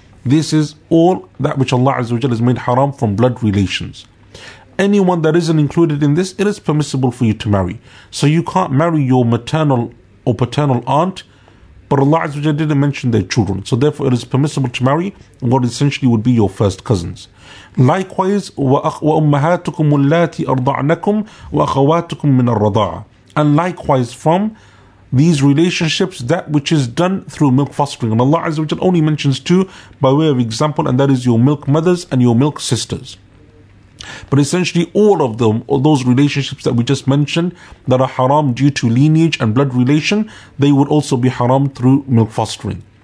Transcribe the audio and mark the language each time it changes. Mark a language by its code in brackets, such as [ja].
[en] This is all that which Allah Azza wa Jalla has made haram from blood relations. Anyone that isn't included in this, it is permissible for you to marry. So you can't marry your maternal or paternal aunt, but Allah Azza wa Jalla didn't mention their children. So therefore it is permissible to marry what essentially would be your first cousins. [ar] Likewise, وَأُمَّهَاتُكُمْ اللَّاتِ أَرْضَعْنَكُمْ وَأَخَوَاتُكُمْ مِنَ الرَّضَاعَ. [en] And likewise from these relationships, that which is done through milk fostering. And Allah Azza wa Jalla only mentions two by way of example, and that is your milk mothers and your milk sisters. But essentially all of them, all those relationships that we just mentioned that are haram due to lineage and blood relation, they would also be haram through milk fostering.